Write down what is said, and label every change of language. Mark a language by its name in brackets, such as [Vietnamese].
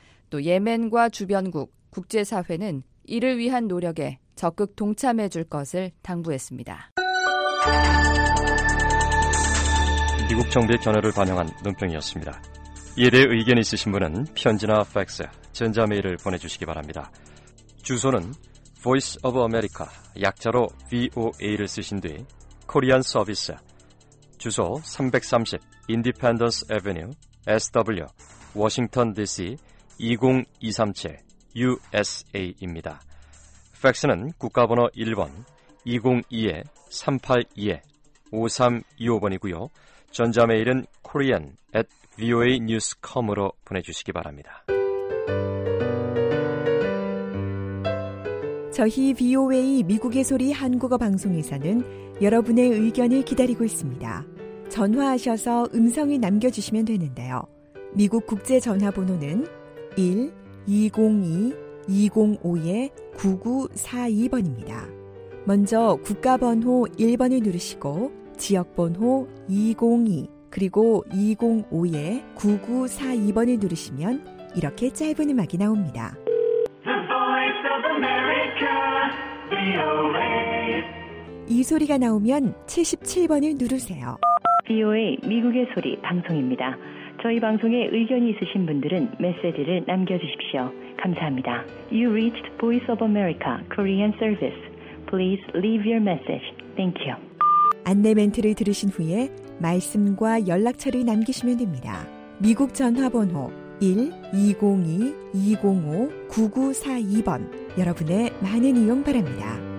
[Korean] 또 예멘과 주변국, 국제사회는 이를 위한 노력에 적극 동참해 줄 것을 당부했습니다. 미국 정부의 견해를 반영한 논평이었습니다. 이에 대해 의견 있으신 분은 편지나 팩스, 전자메일을 보내주시기 바랍니다. 주소는 Voice of America, 약자로 VOA를 쓰신 뒤 Korean Service, 주소 330 Independence Avenue, SW, Washington DC 20237, USA입니다. 팩스는 국가번호 1번 202-382-5325번이고요. 전자메일은 korean@voanews.com으로 보내주시기 바랍니다. 저희 VOA 미국의 소리 한국어 방송에서는 여러분의 의견을 기다리고 있습니다. 전화하셔서 음성을 남겨주시면 되는데요. 미국 국제전화번호는 1-202-205-9942번입니다. 먼저 국가번호 1번을 누르시고 지역번호 202 그리고 205-9942번을 누르시면 이렇게 짧은 음악이 나옵니다. [English] The Voice of America, VOA. [Korean] 이 소리가 나오면 77번을 누르세요. VOA 미국의 소리 방송입니다. 저희 방송에 의견이 있으신 분들은 메시지를 남겨주십시오. 감사합니다. [English] You reached Voice of America, Korean Service. Please leave your message. Thank you. [Korean] 안내 멘트를 들으신 후에 말씀과 연락처를 남기시면 됩니다. 미국 전화번호 1-202-205-9942번 여러분의 많은 이용 바랍니다.